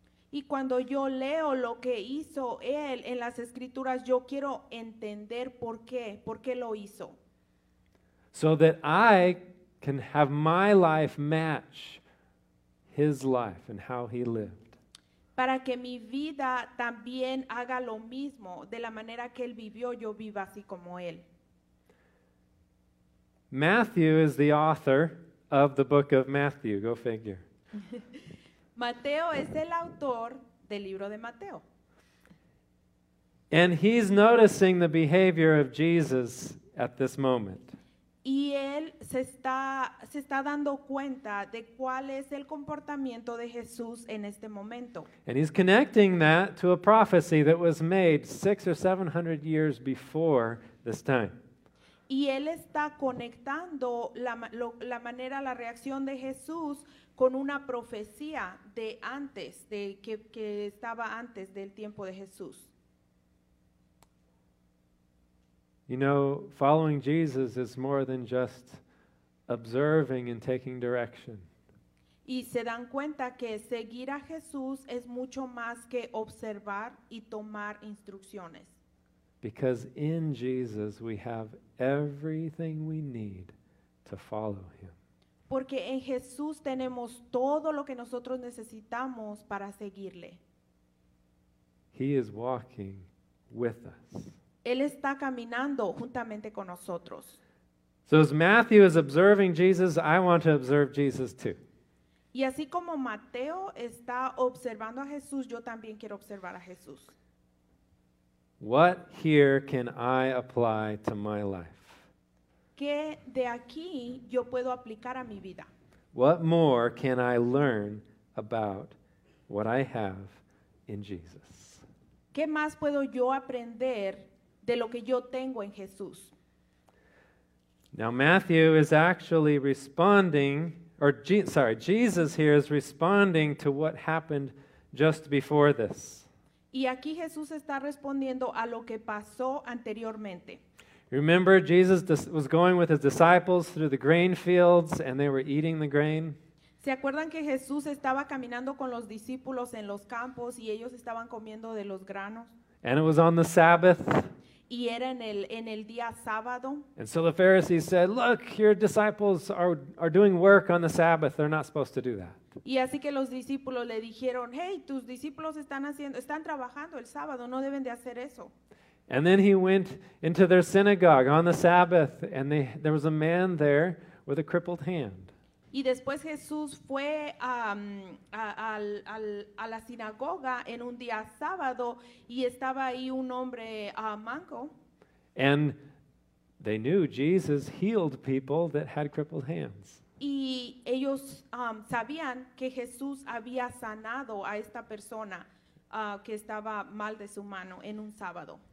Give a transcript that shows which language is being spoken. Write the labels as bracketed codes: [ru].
[es] Y cuando yo leo lo que hizo él en las escrituras, yo quiero entender por qué lo hizo. [en] So that I can have my life match his life and how he lived. [es] Para que mi vida también haga lo mismo, de la manera que él vivió, yo viva así como él. [en] Matthew is the author of the book of Matthew. Go figure. [es] Mateo es el autor del libro de Mateo. [en] And he's noticing the behavior of Jesus at this moment. [es] Y él se está dando cuenta de cuál es el comportamiento de Jesús en este momento. [en] And he's connecting that to a prophecy that was made 600 or 700 years before this time. [es] Y él está conectando la manera, la reacción de Jesús con una profecía de antes, de que estaba antes del tiempo de Jesús. [en] You know, following Jesus is more than just observing and taking direction. [es] Y se dan cuenta que seguir a Jesús es mucho más que observar y tomar instrucciones. [en] Because in Jesus we have everything we need to follow him. [es] Porque en Jesús tenemos todo lo que nosotros necesitamos para seguirle. [en] He is walking with us. [es] Él está caminando juntamente con nosotros. [en] So as Matthew is observing Jesus, I want to observe Jesus too. [es] Y así como Mateo está observando a Jesús, yo también quiero observar a Jesús. [en] What here can I apply to my life? [es] ¿Qué de aquí yo puedo aplicar a mi vida? [en] What more can I learn about what I have in Jesus? [es] ¿Qué más puedo yo aprender de lo que yo tengo en Jesús? [en] Now Matthew is actually responding, Jesus here is responding to what happened just before this. [es] Y aquí Jesús está respondiendo a lo que pasó anteriormente. [en] Remember, Jesus was going with his disciples through the grain fields and they were eating the grain. [es] ¿Se acuerdan que Jesús estaba caminando con los discípulos en los campos y ellos estaban comiendo de los granos? [en] And it was on the Sabbath. [es] Y era en el día sábado. [en] And so the Pharisees said, look, your disciples are doing work on the Sabbath. They're not supposed to do that. [es] Y así que los discípulos le dijeron, hey, tus discípulos están trabajando el sábado, no deben de hacer eso. [en] And then he went into their synagogue on the Sabbath, and there was a man there with a crippled hand. [es] Y después Jesús fue a la sinagoga en un día sábado, y estaba ahí un hombre manco. [en] And they knew Jesus healed people that had crippled hands. [es] Y ellos sabían que Jesús había sanado a esta persona que estaba mal de su mano en un sábado.